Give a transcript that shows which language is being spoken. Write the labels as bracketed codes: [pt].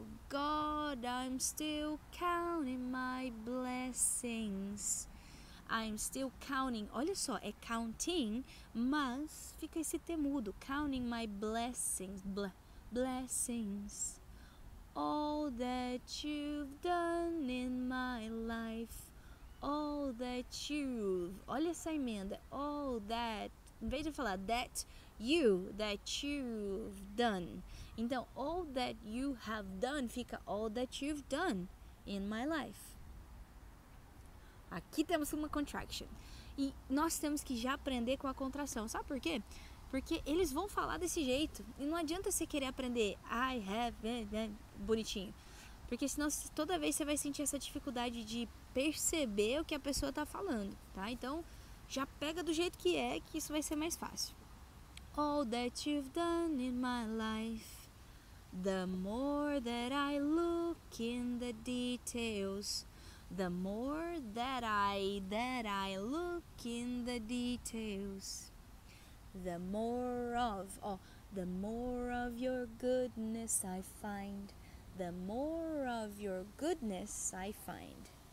[en] God, I'm still counting my blessings. I'm still counting. [pt] Olha só, é counting, mas fica esse T mudo. [en] Counting my blessings. Blessings. All that you've done in my life. All that you've... [pt] Olha essa emenda. [en] All that... [pt] Em vez de falar [en] that... You, that you've done. [pt] Então, [en] all that you have done [pt] fica [en] all that you've done in my life. [pt] Aqui temos uma contraction. E nós temos que já aprender com a contração. Sabe por quê? Porque eles vão falar desse jeito. E não adianta você querer aprender [en] I have been [pt] bonitinho. Porque senão toda vez você vai sentir essa dificuldade de perceber o que a pessoa está falando. Tá? Então, já pega do jeito que é, que isso vai ser mais fácil. [en] All that you've done in my life, the more that I look in the details, the more that I look in the details, the more of, oh, the more of your goodness I find, the more of your goodness I find.